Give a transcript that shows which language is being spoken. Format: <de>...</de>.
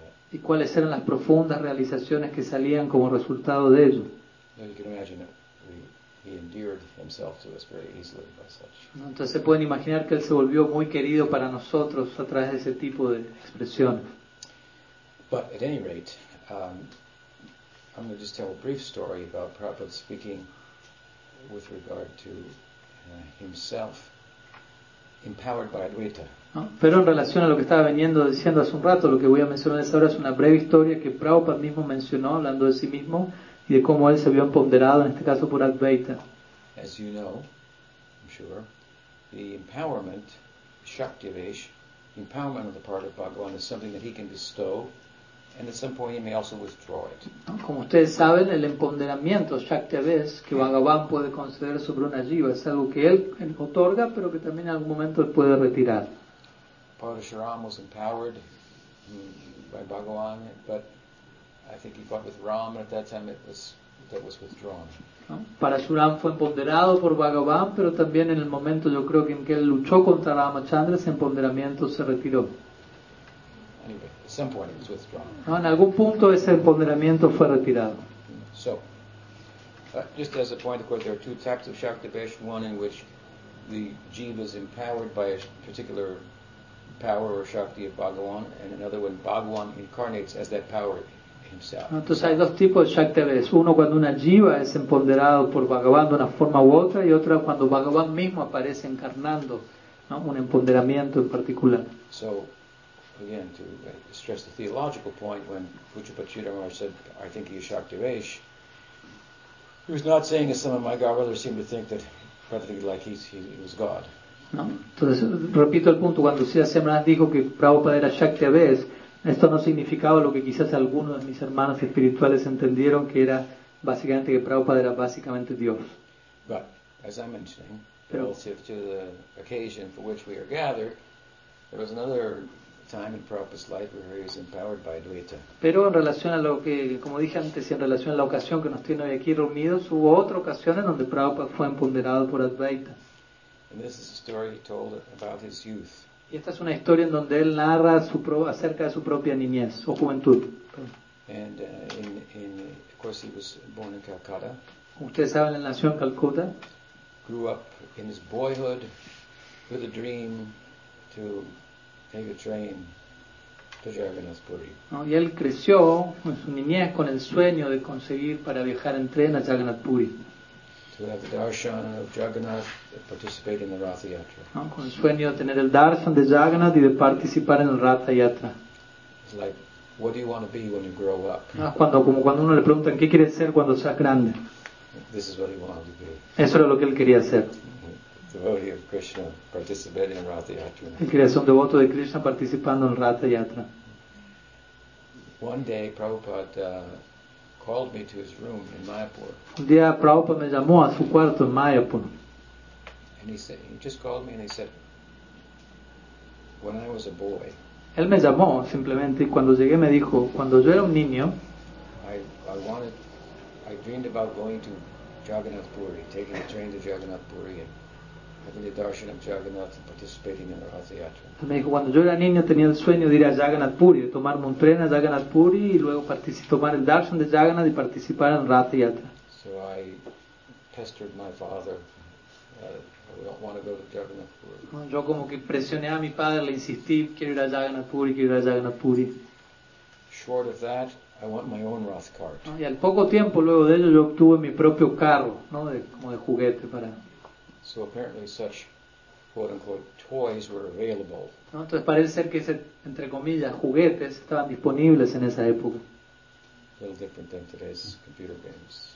<es>Y cuáles eran las profundas realizaciones que salían como resultado de ello. Entonces se pueden imaginar que él se volvió muy querido para nosotros a través de ese tipo de expresiones.</es> <en>But at any rate, I'm going to just tell a brief story about Prabhupada speaking with regard to himself empowered by Advaita.</en> <es>¿No? Pero en relación a lo que estaba veniendo diciendo hace un rato, lo que voy a mencionar es ahora es una breve historia que Prabhupada mismo mencionó hablando de sí mismo y de cómo él se vio empoderado en este caso por Advaita.</es> <en>As you know, I'm sure, the empowerment, Shaktivesh, empowerment on the part of Bhagavan is something that he can bestow. And at some point he may also withdraw it.</en> <es>Como ustedes saben, el empoderamiento Shaktivesh que Bhagavan puede conceder sobre una jiva es algo que él otorga, pero que también en algún momento él puede retirar.</es> <en>Parashuram was empowered by Bhagavan, but I think he fought with Ram, and at that time it was that was withdrawn.</en> <es>Parashuram fue empoderado por Bhagavan, pero también en el momento yo creo que en que él luchó contra Ramachandra, ese empoderamiento se retiró.</es> <en>Anyway, at some point it was withdrawn.</en> <es>No, en algún punto ese empoderamiento fue retirado.</es> <en>So, just as a point, of course, there are two types of Shaktivesh, one in which the jiva is empowered by a particular power or Shakti of Bhagavan, and another when Bhagavan incarnates as that power himself.</en> <es>Entonces hay dos tipos de Shaktivesh, uno cuando una jiva es empoderado por Bhagavan de una forma u otra, y otra cuando Bhagavan mismo aparece encarnando, ¿no? Un empoderamiento en particular.</es> <en>So, again, to stress the theological point, when Puchupachidamar said, I think he is Shaktivesh, he was not saying, as some of my godbrothers seem to think, that practically like he was God. No.</en> <es>Entonces, repito el punto, cuando Sri Semana dijo que Prabhupada era Shaktivesh, esto no significaba lo que quizás algunos de mis hermanos espirituales entendieron, que era básicamente que Prabhupada era básicamente Dios.</es> <en>But, as I'm mentioning, relative to the occasion for which we are gathered, there was another time in Prabhupada's life where he is empowered by Advaita.</en> <es>Pero en relación a lo que, como dije antes, en relación a la ocasión que nos tiene hoy aquí reunidos, hubo otra ocasión en donde Prabhupada fue empoderado por Advaita.</es> <en>And this is a story he told about his youth.</en> <es>Y esta es una historia en donde él narra acerca de su propia niñez o juventud.</es> <en>And of course he was born in Calcutta.</en> <es>Ustedes saben, él nació en Calcuta.</es> <en>Grew up in his boyhood with a dream to take a train to Jagannath Puri.</en> <es>No, y él creció en su niñez con el sueño de conseguir para viajar en tren a Jagannath Puri.</es> <en>To have the darshan of Jagannath and participate in the Ratha Yatra.</en> <es>No, con el sueño de tener el darshan de Jagannath y de participar en el Ratha Yatra.</es> <en>It's like, what do you want to be when you grow up?</en> <es>No, cuando uno le preguntan qué quieres ser cuando seas grande.</es> <en>This is what he wanted to be.</en> <es>Eso era lo que él quería ser.</es> <en>Devotee of Krishna participating in Ratha Yatra.</en> <es>El creación devoto de Krishna participando en Ratha Yatra.</es> <en>One day, Prabhupada called me to his room in Mayapur.</en> <es>Un día, Prabhupada me llamó a su cuarto en Mayapur.</es> <en>And he said, he just called me and he said, when I was a boy.</en> <es>Él me llamó simplemente y cuando llegué me dijo, cuando yo era un niño.</es> <en>I dreamed about going to Jagannath Puri, taking the train to Jagannath Puri. And</en> <es>me dijo, cuando yo era niño tenía el sueño de ir a Jagannath Puri, de tomarme un tren a Jagannath Puri y luego tomar el darshan de Jagannath y participar en Ratha Yatra.</es> <en>So I pestered my father, we don't want to go to Jagannath Puri.</en> <es>Yo como que presioné a mi padre, le insistí, quiero ir a Jagannath Puri, quiero ir a Jagannath Puri.</es> <en>Short of that, I want my own Roth cart.</en> <es>Y al poco tiempo luego de ello yo obtuve mi propio carro, ¿no? Como de juguete para.</es> <en>So apparently such quote-unquote toys were available.</en> <es>No, entonces parece ser que ese, entre comillas, juguetes estaban disponibles en esa época.</es> <en>A little different than today's computer games.</en>